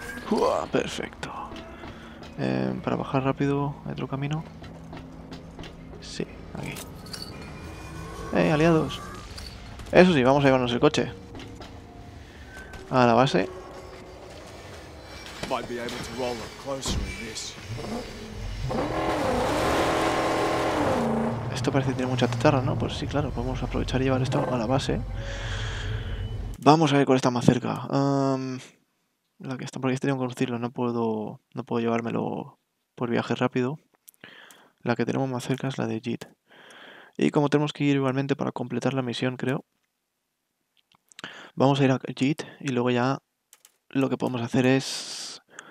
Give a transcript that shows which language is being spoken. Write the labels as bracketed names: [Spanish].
[Spanish] ¡Uah! Perfecto. Para bajar rápido, ¿hay otro camino? Sí, aquí. ¡Eh, aliados! Eso sí, vamos a llevarnos el coche. A la base. [English] might be able to roll up closer in this. [Spanish] Esto parece tener mucha tetarra, ¿no? Pues sí, claro, podemos aprovechar y llevar esto a la base. Vamos a ver cuál está más cerca. La que está por aquí sería un conducirlo, no puedo llevármelo por viaje rápido. La que tenemos más cerca es la de Jit. Y como tenemos que ir igualmente para completar la misión, creo, vamos a ir a Jit y luego ya lo que podemos hacer es...